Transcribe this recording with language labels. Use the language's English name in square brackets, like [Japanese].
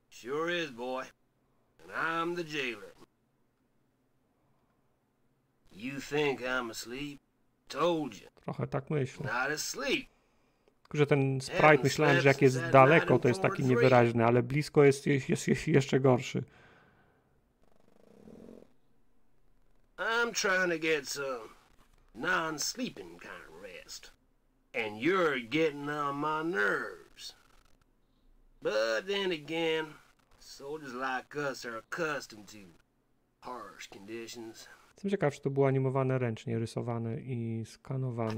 [English] Sure is, boy. And I'm the jailer. You think I'm asleep? Told you. [Polish] Trochę tak myślę. [English] Not asleep. [Polish] Że ten sprite myślałem, że jak jest daleko, to jest taki niewyraźny, ale blisko jest jeszcze gorszy. [English] I'm trying to get some non-sleeping kind of rest. And you're getting on my nerves. But then again, soldiers like us are accustomed to harsh conditions. [Polish] Jestem ciekaw, czy to było animowane ręcznie, rysowane i skanowane.